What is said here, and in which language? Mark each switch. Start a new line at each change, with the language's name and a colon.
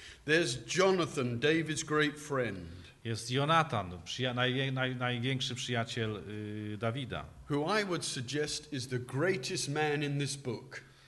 English: There's Jonathan, David's great friend.
Polish: Jest Jonatan, największy przyjaciel Dawida.
English: Who I would suggest is the greatest man in this book.